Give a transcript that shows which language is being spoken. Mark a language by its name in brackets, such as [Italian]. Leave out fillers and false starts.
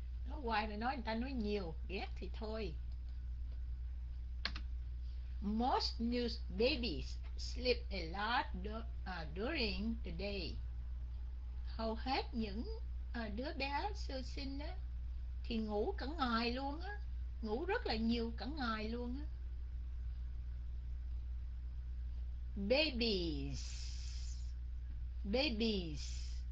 [Vietnamese] Nói hoài rồi nói người ta nói nhiều, ghét thì thôi. [English] Most new babies sleep a lot during the day. [Vietnamese] Hầu hết những đứa bé sơ sinh đó, thì ngủ cả ngày luôn á, ngủ rất là nhiều cả ngày luôn á. [English] Babies, babies.